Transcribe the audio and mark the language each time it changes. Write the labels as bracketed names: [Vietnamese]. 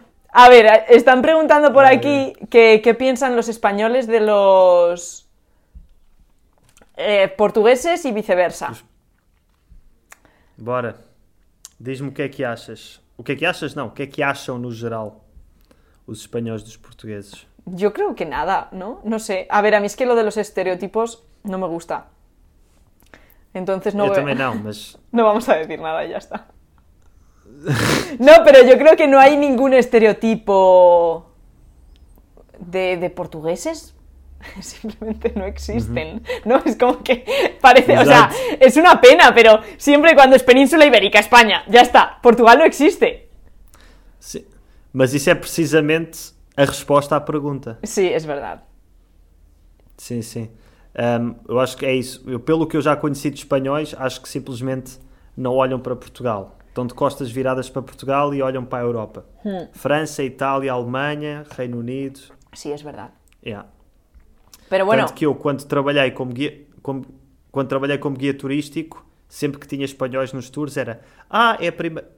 [Portuguese] A ver, estão perguntando por aqui que pensam os espanhóis [Spanish] de los portugueses [Portuguese] e vice-versa. Bora. Diz-me o que é que achas. O que é que achas? Não. O que é que acham no geral os espanhóis dos portugueses? Eu creio que nada, não? Não sei. A ver, a mim é que [Spanish] lo de los estereotipos [Portuguese] não me gusta. [Spanish] Entonces no yo también no, mas... no vamos a decir nada y ya está. No, pero yo creo que no hay ningún estereotipo de portugueses. Simplemente no existen. Uh-huh. No, es como que parece, exacto. O sea, es una pena, pero siempre cuando es Península Ibérica, España, ya está. Portugal no existe. Sí, mas eso es precisamente la respuesta a la pregunta. Sí, es verdad. Sí, sí. [Portuguese] Eu acho que é isso. Eu, pelo que eu já conheci de espanhóis, acho que simplesmente não olham para Portugal. Estão de costas viradas para Portugal e olham para a Europa. França, Itália, Alemanha, Reino Unido. Sim, é verdade. É. [Spanish] Pero bueno. [Portuguese] Tanto que eu, quando trabalhei como guia, quando trabalhei como guia turístico, sempre que tinha espanhóis nos tours, era... Ah, é a primeira...